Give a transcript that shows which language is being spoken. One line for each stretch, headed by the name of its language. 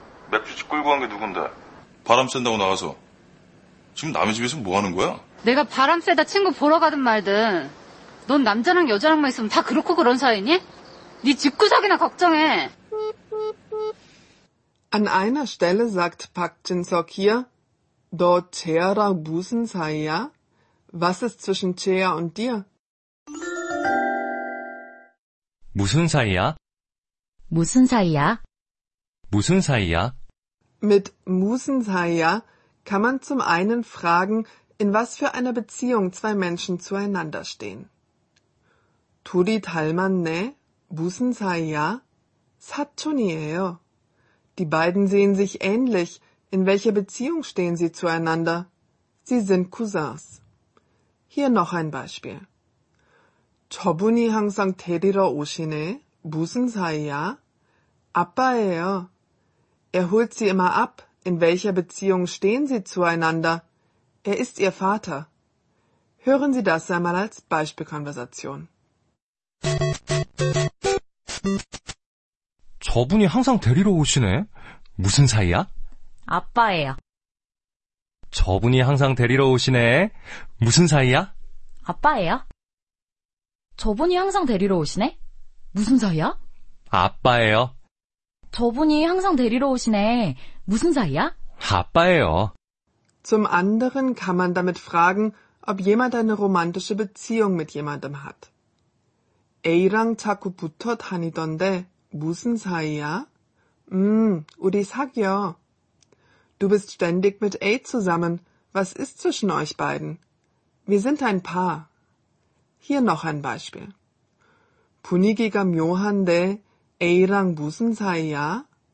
Korean: 맥주집 끌고 간 게 누군데? 바람 쐰다고 나가서. 지금 남의 집에서 뭐 하는 거야? 내가 바람 쐬다 친구 보러 가든 말든 넌 남자랑 여자랑만 있으면 다 그렇고 그런 사이니? 네 집구석이나 걱정해.
German: An einer Stelle sagt Park Jin-seok hier,
Korean: 너 재하랑 무슨 사이야?
German: Was ist zwischen Jae-ha und dir?
Korean: 무슨 사이야? 무슨 사이야? 무슨 사이야?
German: Mit
Korean: "무슨 사이야"
German: kann man zum einen fragen, in was für einer Beziehung zwei Menschen zueinander stehen.
Korean: 둘이 닮았네? 무슨 사이야? 사촌이에요.
German: Die beiden sehen sich ähnlich. In welcher Beziehung stehen sie zueinander? Sie sind Cousins. Hier noch ein Beispiel.
Korean: 저분이 항상 데리러 오시네. 무슨 사이야? 아빠예요.
German: Er holt sie immer ab. In welcher Beziehung stehen sie zueinander? Er ist ihr Vater. Hören Sie das einmal als Beispielkonversation.
Korean: 저분이 항상 데리러 오시네. 무슨 사이야? 아빠예요. 저분이 항상 데리러 오시네. 무슨 사이야? 아빠예요. 저분이 항상 데리러 오시네. 무슨 사이야? 아빠예요. 저분이 항상 데리러 오시네. 무슨 사이야? 아빠예요.
German: Zum anderen kann man damit fragen, ob jemand eine romantische Beziehung mit jemandem hat.
Korean: A랑 자꾸 붙어 다니던데 무슨 사이야? 우리 사귀어.
German: Du bist ständig mit A zusammen. Was ist zwischen euch beiden? Wir sind ein Paar. Hier noch ein Beispiel.
Korean: 분위기가 묘한데 A랑 무슨 사이야?